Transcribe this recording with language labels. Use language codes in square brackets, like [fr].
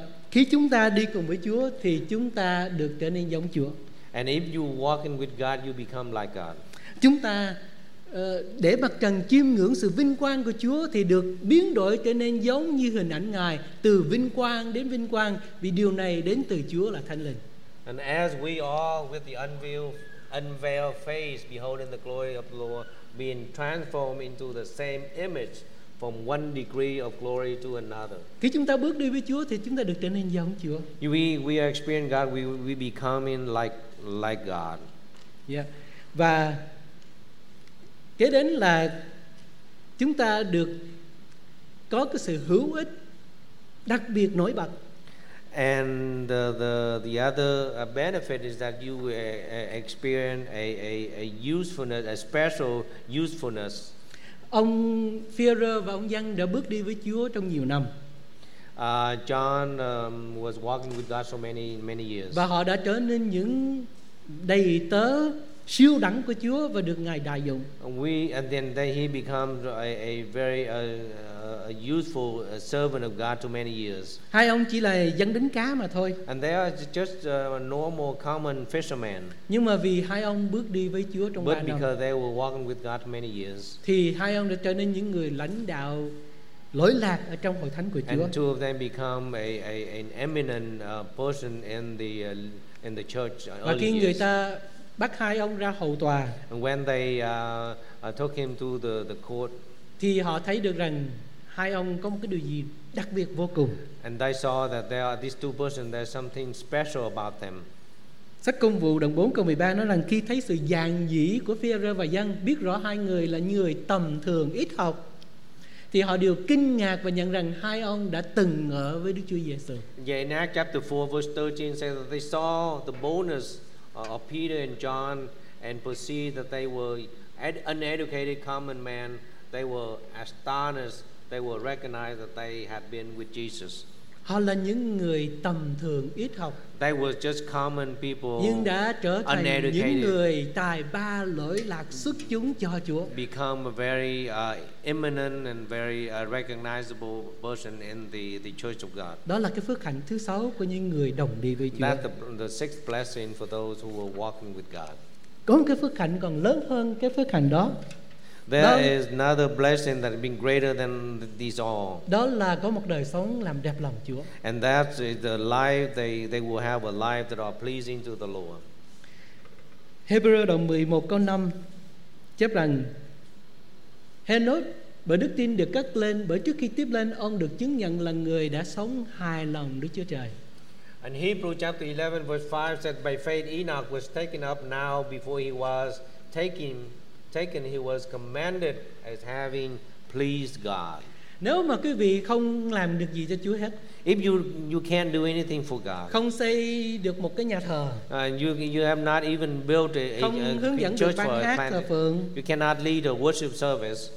[vi] Khi chúng ta đi cùng với Chúa thì chúng ta được trở nên giống Chúa. [en] And if you walk in with God, you become like God. [vi] Chúng ta để mặt trần chiêm ngưỡng sự vinh quang của Chúa thì được biến đổi trở nên giống như hình ảnh Ngài, từ vinh quang đến vinh quang, vì điều này đến từ Chúa là Thánh Linh. [en] And as we are with the unveiled unveiled face, beholding the glory of the Lord, being transformed into the same image from one degree of glory to another. [vi] Khi chúng ta bước đi với Chúa thì chúng ta được trở nên giống Chúa. [en] We experience God, we becoming like God. Yeah. [vi] Và kế đến là chúng ta được có cái sự hữu ích đặc biệt nổi bật. [en] And the other benefit is that you experience a usefulness, a special usefulness. [vi] Ông Phêrô và ông Giăng đã bước đi với Chúa trong nhiều năm. [en] John was walking with God so many years. [vi] Và họ đã trở nên những đầy tớ siêu đẳng của Chúa và được Ngài đại dụng. [en] And then he becomes a very a useful servant of God to many years. [vi] Hai ông chỉ là dân đánh cá mà thôi. [en] And they are just a normal common fisherman. [vi] Nhưng mà vì hai ông bước đi với Chúa trong 3 năm. [en] But because they were walking with God many years. [vi] Thì hai ông đã trở nên những người lãnh đạo lỗi lạc ở trong hội thánh của Chúa. [en] And two of them become an eminent person in the church. [vi] Và khi người ta bắt hai ông ra hầu tòa. [en] And when they took him to the court. [vi] Thì họ thấy được rằng hai ông có một cái điều gì đặc biệt vô cùng. [en] And they saw that there are these two persons, there's something special about them. [vi] Sách Công Vụ đoạn 4 câu 13 nói rằng khi thấy sự dàn dĩ của Phêrô và Giăng, biết rõ hai người là người tầm thường ít học, thì họ đều kinh ngạc và nhận rằng hai ông đã từng ở với Đức Chúa Giêsu. [en] Yeah, in Acts chapter 4 verse 13 says that they saw the boldness of Peter and John and perceived that they were uneducated common men. They were astonished. They will recognize that they had been with Jesus. [vi] Họ là những người tầm thường ít học. [en] They were just common people. [vi] Nhưng đã trở thành những người tài ba lỗi lạc xuất chúng cho Chúa. [en] Become a very eminent and very recognizable person in the church of God. [vi] Đó là cái phước hạnh thứ 6 của những người đồng đi với Chúa. [en] That's the sixth blessing for those who were walking with God. [vi] Có một cái phước hạnh còn lớn hơn cái phước hạnh đó. [en] There is another blessing that has been greater than these all. [vi] Đó là có một đời sống làm đẹp lòng Chúa. [en] And that is the life they will have, a life that are pleasing to the Lord. [vi] Hebrew đoạn 11 câu 5 chép rằng Henoch bởi đức tin được cất lên, bởi trước khi tiếp lên ông được chứng nhận là người đã sống hài lòng Đức Chúa Trời. [en] And Hebrew chapter 11 verse 5 said by faith Enoch was taken up now before he was taken, he was commended as having pleased God. [vi] Nếu mà quý vị không làm được gì cho Chúa hết, [en] if you can't do anything for God, [vi] không xây được một cái nhà thờ, [en] you have not even built a church for a plan, you cannot lead a worship service,